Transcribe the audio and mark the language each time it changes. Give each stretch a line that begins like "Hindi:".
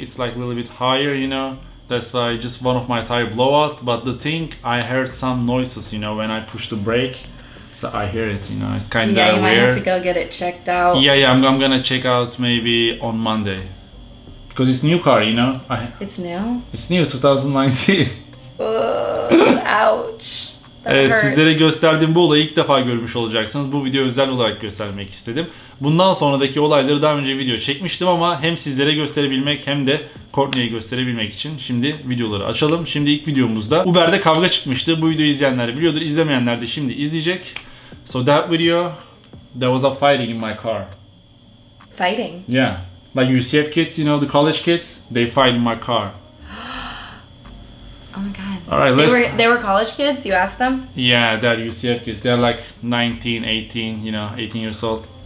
English: It's like a little bit higher, you know. That's why just one of my tire blow out. But the thing, I heard some noises, you know, when I push the brake. So I hear it, you know. It's kind of weird. Yeah, you might have to go get it checked out. Yeah, yeah. I'm gonna check out maybe on Monday, because it's new car, you know. It's new. It's new, 2019. Ouch.
Turkish: Evet, sizlere gösterdiğim bu olayı ilk defa görmüş olacaksınız. Bu videoyu özel olarak göstermek istedim. Bundan sonraki olayları daha önce video çekmiştim ama hem sizlere gösterebilmek hem de Cortney'i gösterebilmek için şimdi videoları açalım. Şimdi ilk videomuzda Uber'de kavga çıkmıştı. Bu videoyu izleyenler biliyordur, izlemeyenler de şimdi izleyecek.
English: So that video, there was a fighting in my car. Fighting? Yeah. Like UCF kids, you know, the college kids, they fight in my car. Oh my god. All right, they were college kids, you asked them? Yeah, they're UCF kids. They're like 19, 18, you know, 18 years old.